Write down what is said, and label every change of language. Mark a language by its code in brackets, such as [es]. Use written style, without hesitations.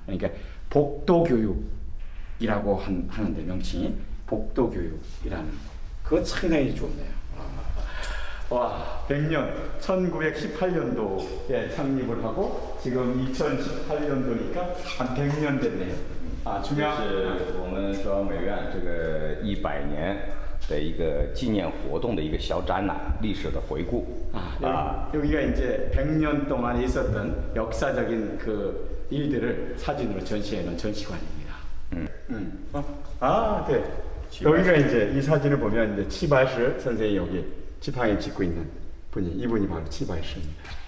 [ko] 그러니까 복도 교육이라고 하는데 명칭이 복도 교육이라는 그거 상당히 좋네요. 와, 100년, 1918년도에 창립을 하고 지금 2018년도니까 한 100년 됐네요. 아, 중요한. [zh] 就是我们中央美院这个100年。的一个纪念活动的一个小展览，历史的回顾。 [ko] 아, 여기가 이제 100년 동안 있었던 역사적인 그 일들을 사진으로 전시해놓은 전시관입니다. 네. 여기가 이제 이 사진을 보면 이제 치바이시 선생님 여기 지팡이 짚고 있는 분이 이분이 바로 치바이시입니다.